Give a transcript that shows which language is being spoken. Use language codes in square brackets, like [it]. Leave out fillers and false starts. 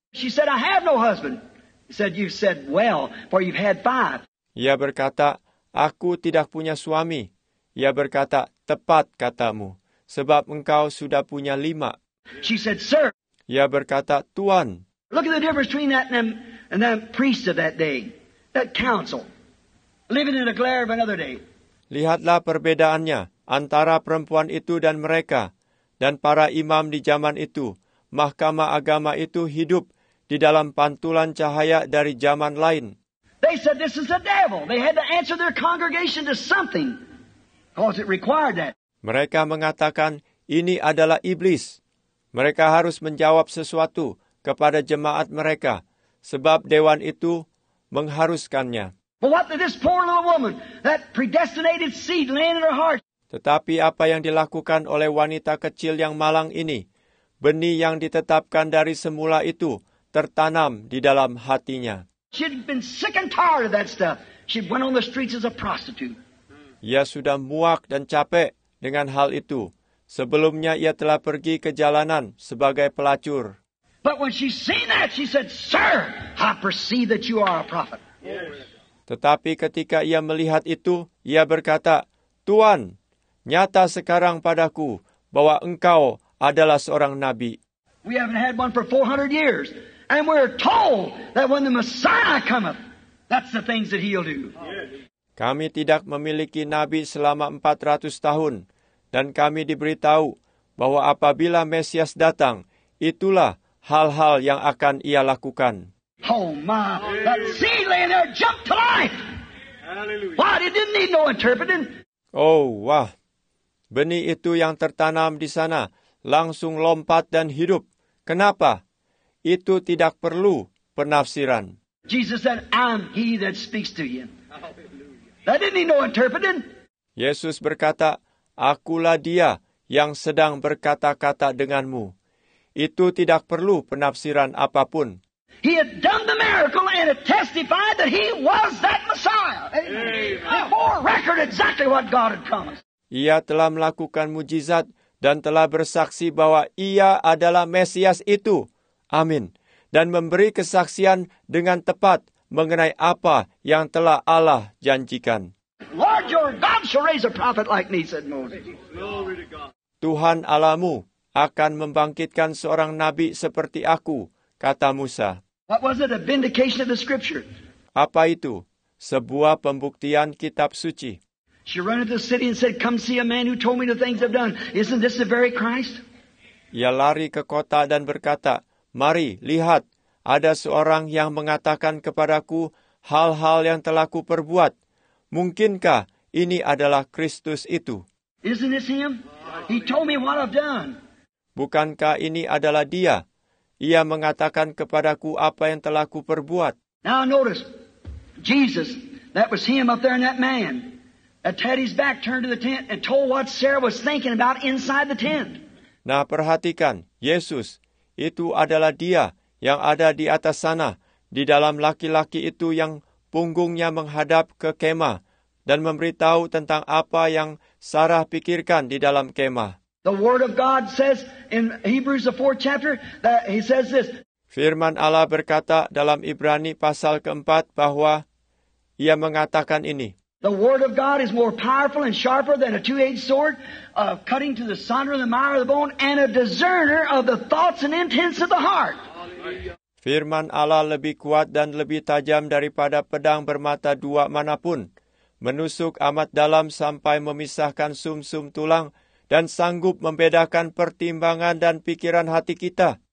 [en] She said, I have no husband. He said, you've said well, for you've had five. [id] Ia berkata, aku tidak punya suami. Ia berkata, tepat katamu, sebab engkau sudah punya lima. [en] She said, sir. [id] Ia berkata, Tuan. [en] Look at the difference between that and that priest of that day, that council, living in the glare of another day. [id] Lihatlah perbedaannya antara perempuan itu dan mereka, dan para imam di zaman itu, mahkamah agama itu hidup di dalam pantulan cahaya dari zaman lain. [en] They said this is the devil. They had to answer their congregation to something, because it required that. [id] Mereka mengatakan, ini adalah iblis. Mereka harus menjawab sesuatu kepada jemaat mereka, sebab dewan itu mengharuskannya. [en] But what did this poor little woman, that predestinated seed laying in her heart? [id] Tetapi apa yang dilakukan oleh wanita kecil yang malang ini, benih yang ditetapkan dari semula itu, tertanam di dalam hatinya. [en] She'd been sick and tired of that stuff. She went on the streets as a prostitute. [id] Ia sudah muak dan capek dengan hal itu. Sebelumnya ia telah pergi ke jalanan sebagai pelacur. [en] But when she seen that, she said, sir, I perceive that you are a prophet. [id] Tetapi ketika ia melihat itu, ia berkata, Tuan, nyata sekarang padaku bahwa engkau adalah seorang nabi. [en] We haven't had one for 400 years, and we're told that when the Messiah cometh, that's the things that he'll do. [id] Kami tidak memiliki nabi selama 400 tahun, dan kami diberitahu bahwa apabila Mesias datang, itulah hal-hal yang akan ia lakukan. [en] Oh my, that seed laying there jumped to life. Hallelujah. Why, it didn't need no interpreting. [id] Oh, wah. Benih itu yang tertanam di sana langsung lompat dan hidup. Kenapa? Itu tidak perlu penafsiran. [en] Jesus said, I'm he that speaks to you. That didn't need no interpreting. [id] Yesus berkata, akulah dia yang sedang berkata-kata denganmu. Itu tidak perlu penafsiran apapun. [en] He had done the miracle and it testified that he was that Messiah. Amen. Before record exactly what God had promised. [id] Ia telah melakukan mujizat dan telah bersaksi bahwa ia adalah Mesias itu. Amin. Dan memberi kesaksian dengan tepat mengenai apa yang telah Allah janjikan. [en] Lord your God shall raise a prophet like me, said Moses. [id] Tuhan Allahmu akan membangkitkan seorang nabi seperti aku, kata Musa. [en] What was it, a vindication of the scripture? [id] Apa itu? Sebuah pembuktian kitab suci. [en] She ran into the city and said, come see a man who told me the things I've done. Isn't this the very Christ? [id] Ia lari ke kota dan berkata, mari, lihat, ada seorang yang mengatakan kepadaku hal-hal yang telah ku perbuat. Mungkinkah ini adalah Kristus itu? [en] Isn't this him? He told me what I've done. [id] Bukankah ini adalah dia? Ia mengatakan kepadaku apa yang telah ku perbuat. [en] Now notice, Jesus, that was him up there in that man, that had his back turned to the tent and told what Sarah was thinking about inside the tent. [id] Nah perhatikan, Yesus, itu adalah dia yang ada di atas sana, di dalam laki-laki itu yang punggungnya menghadap ke kemah, dan memberitahu tentang apa yang Sarah pikirkan di dalam kemah. [en] The word of God says in Hebrews the 4th chapter that he says this. [id] Firman Allah berkata dalam Ibrani pasal keempat bahwa ia mengatakan ini. [en] The word of God is more powerful and sharper than a two-edged sword, cutting to the center of the marrow of the bone and a discerner of the thoughts and intents of the heart. [id] Firman Allah lebih kuat dan lebih tajam daripada pedang bermata dua manapun, menusuk amat dalam sampai memisahkan sum-sum tulang dan sanggup membedakan pertimbangan dan pikiran hati kita.